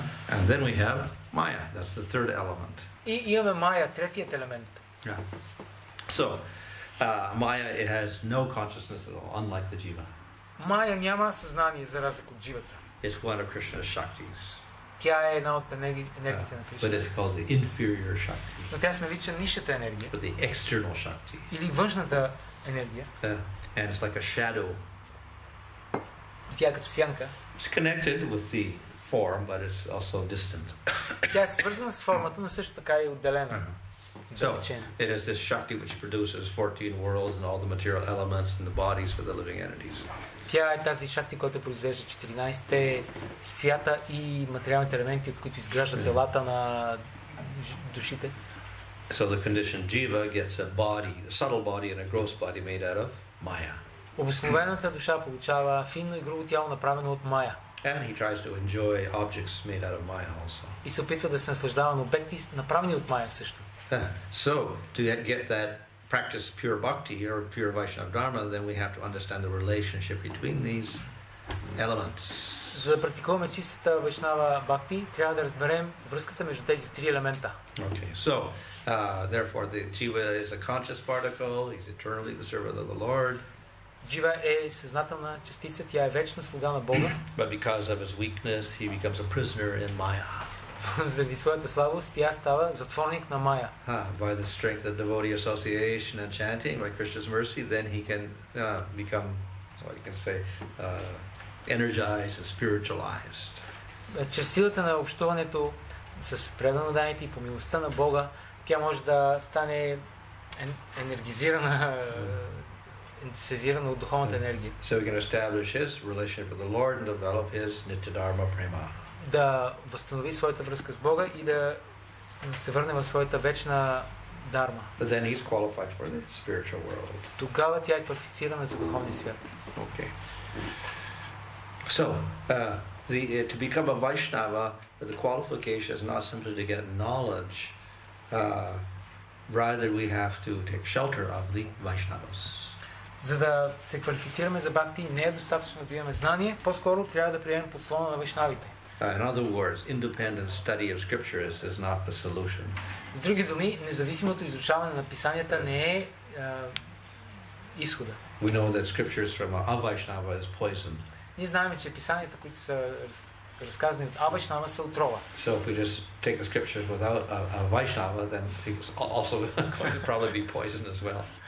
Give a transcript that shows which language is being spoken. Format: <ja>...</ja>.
<en>And then we have maya, that's the third element.</en> <bg>И имаме maya, третият елемент.</bg> <en>So, maya, it has no consciousness at all, unlike the jiva.</en> <bg>Maya няма съзнание за разлика от дживата.</bg> <en>It's one of Krishna's shaktis.</en> <bg>Тя е една от енергиите на Кришна.</bg> <en>But it's called the inferior shakti.</en> <bg>Но тя се нарича нишата енергия.</bg> <en>But the external shakti.</en> <bg>Или външната енергия.</bg> <en>And it's like a shadow.</en> <bg>Тя е като сянка.</bg> <en>It's connected with the form, but it's also distant.</en> <bg>Тя е свързана с формата, но също така е отделена.</bg> <en>So, it is this shakti which produces 14 worlds and all the material elements and the bodies for the living entities.</en> <bg>Тя е тази шакти, която произвежда 14-те свята и материалните елементи, от които изграждат телата на душите.</bg> <en>So the conditioned jiva gets a body, a subtle body and a gross body made out of maya.</en> <bg>Обусловената душа получава финно и грубо тяло, направено от майя.</bg> <en>And he tries to enjoy objects made out of maya also.</en> <bg>И се опитва да се наслаждава на обекти, направени от майя също.</bg> <en>So, to get that practice pure bhakti or pure Vaishnava Dharma, then we have to understand the relationship between these elements.</en> <bg>за да практикуваме чистата вайшнава бхакти, трябва да разберем връзката между тези три елемента.</bg> <en>Okay. So, therefore the jiva is a conscious particle, he's eternally the servant of the Lord.</en> <bg>Jiva е съзнателна частица, тя е вечна слуга на Бога.</bg> <en>But because of his weakness, he becomes a prisoner in Maya.</en> <bg>Заради своята слабост, тя става затворник на Maya.</bg> <en>By the strength of devotee association and chanting, by Krishna's mercy, then he can become, what you can say, energized and spiritualized.</en> <bg>Чрез силата на общуването с предано даните и по милостта на Бога, тя може да стане енергизирана, ентусиазирана от духовната енергия.</bg> <en>So he can establish his relationship with the Lord and develop his Nityadharma Prema.</en> <bg>Да възстанови своята връзка с Бога и да се върне в своята вечна дарма.</bg> <en>But then he's qualified for the spiritual world.</en> <bg>Тогава тя е квалифицирана за духовния свят.</bg> <en>Okay. So, to become a Vaishnava, the qualification is not simply to get knowledge, rather we have to take shelter of the Vaishnavas.</en> <bg>За да се квалифицираме за бхакти, не е достатъчно да имаме знание, по-скоро трябва да приемем подслона на вайшнавите.</bg> <en>In other words, independent study of scriptures is not the solution.</en> <bg>С други думи, независимото изучаване на писанията не е изхода.</bg> <en>We know that scriptures from a Vaishnava is poison.</en> <bg>Ние знаем, че писанията, които са разказани от Авайшнава, са отрова.</bg> <en>So if we just take the scriptures without a Vaishnava, then it's also going to probably be poison as well.</en>